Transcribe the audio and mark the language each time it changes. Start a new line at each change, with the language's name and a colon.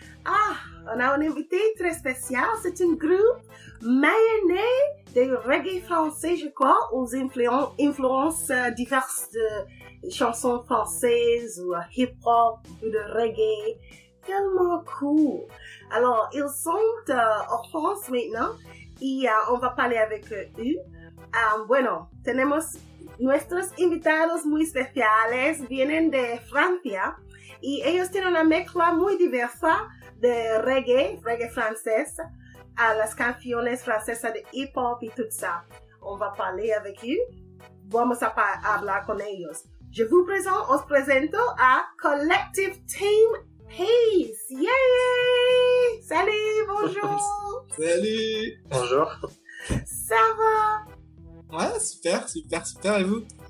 French: Ah, on a un invité très spécial, c'est un groupe mayonné de reggae français, je crois, aux influences diverses de chansons françaises ou hip-hop ou de reggae. Tellement cool! Alors, ils sont en France maintenant et on va parler avec eux.
Spanish: Bueno, tenemos nuestros invitados muy especiales, vienen de Francia y ellos tienen una mezcla muy diversa de reggae, reggae francés, a las canciones francesas de hip-hop y todo eso.
French: On va parler avec eux,
Spanish: vamos a hablar con ellos.
French: Je vous présente,
Spanish: os presento a
French: Collectif Team Pays. Yay! Salut, bonjour! Salut! Bonjour! Ça va? Ouais, super, super, super, et vous?